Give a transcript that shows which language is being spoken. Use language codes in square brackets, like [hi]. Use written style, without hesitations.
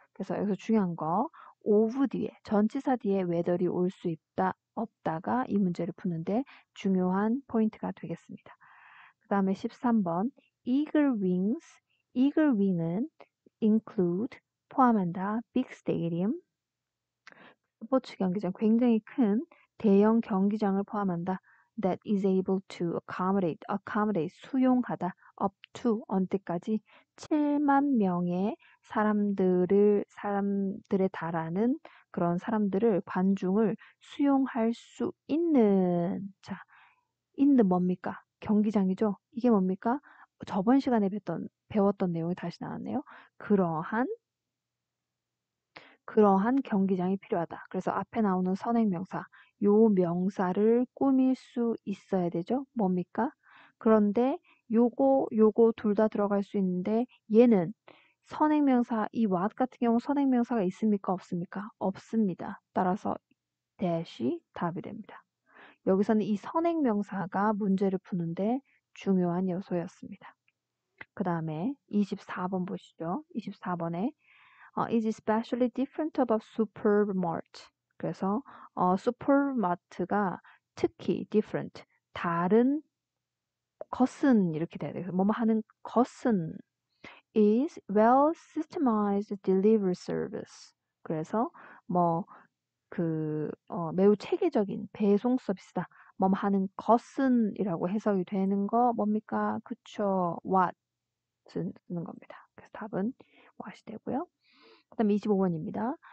[ko] 그래서 여기서 중요한 거 of 뒤에 전치사 뒤에 whether이 올수 있다 없다가 이 문제를 푸는데 중요한 포인트가 되겠습니다. 그 다음에 13번 Eagle Wing은 include 포함한다 Big Stadium 스포츠 경기장 굉장히 큰 대형 경기장을 포함한다. [en] That is able to accommodate [ko] 수용하다. [en] Up to [ko] 언제까지? 7만 명의 사람들에 달하는 그런 사람들을 관중을 수용할 수 있는 자 있는 뭡니까? 경기장이죠. 이게 뭡니까? 저번 시간에 배웠던 내용이 다시 나왔네요. 그러한 경기장이 필요하다. 그래서 앞에 나오는 선행명사, 요 명사를 꾸밀 수 있어야 되죠. 뭡니까? 그런데 요거 둘다 들어갈 수 있는데 얘는 선행명사, 이 what 같은 경우 선행명사가 있습니까? 없습니까? 없습니다. 따라서 dash이 답이 됩니다. 여기서는 이 선행명사가 문제를 푸는데 중요한 요소였습니다. 그 다음에 24번 보시죠. [en] 24번에 is especially different about supermarket. [ko] 그래서 supermarket가 특히 different, 다른 것은 이렇게 돼야 돼요. 뭐뭐 하는 것은 [en] is well systemized delivery service. [ko] 그래서 뭐그 매우 체계적인 배송 서비스다. 뭐뭐 하는 것은이라고 해석이 되는 거 뭡니까? 그쵸? What 쓰는 겁니다. 그래서 답은 what이 되고요. 그다음 25번입니다.